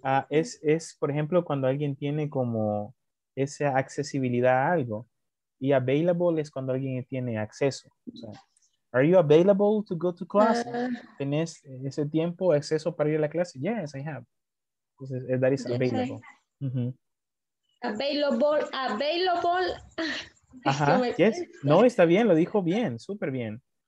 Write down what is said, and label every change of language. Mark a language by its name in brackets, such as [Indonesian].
[Spanish] Es por ejemplo cuando alguien tiene como esa accesibilidad a algo, y available es cuando alguien tiene acceso. O sea, [English] are you available to go to class? [Spanish] ¿Tenés ese tiempo, acceso para ir a la clase? [English] Yes, I have. [Spanish] Entonces, [English] that is available. Yes, uh-huh. Available. Ajá. Yes. [Spanish] No, está bien, lo dijo bien, súper bien.